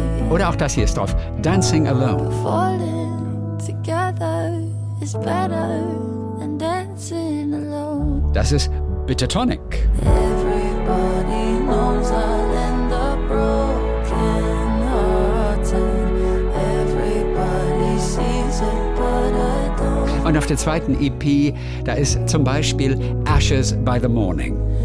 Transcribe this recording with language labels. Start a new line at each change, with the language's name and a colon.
German: Oder auch das hier ist drauf, Dancing Alone.
English: Falling together is better than dancing alone.
German: Das ist Bitter Tonic.
English: Everybody knows I'll end up broken hearted. Everybody sees it, but I don't.
German: Und auf der zweiten EP, da ist zum Beispiel Ashes by the Morning.